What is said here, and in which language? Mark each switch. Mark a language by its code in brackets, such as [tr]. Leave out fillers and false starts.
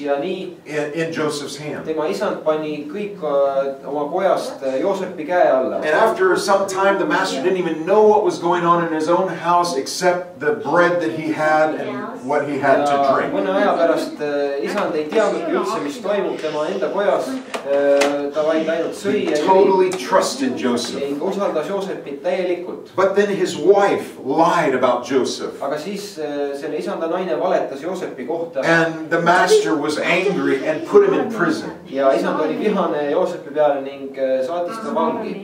[et] ja nii, [en] in Joseph's hand. [et] Tema isand pani kõik oma pojast Joosepi käe alla. [en] And after some time, the master didn't even know what was going on in his own house except the bread that he had and what he had to drink. [et] Mõne aja pärast isand ei teanud üldse, mis toimub tema enda kojas. Ta vaid ainult sõi. [en] He totally trusted Joseph. [et] Ja usaldas Joosepit täielikult. [en] But then his wife lied about Joseph. [et] Aga siis selle isanda naine valetas Joosepi kohta. [en] And the master was angry and put him in prison. [et] Ja isand oli vihane Joosepi peale ning saatis ta vangi.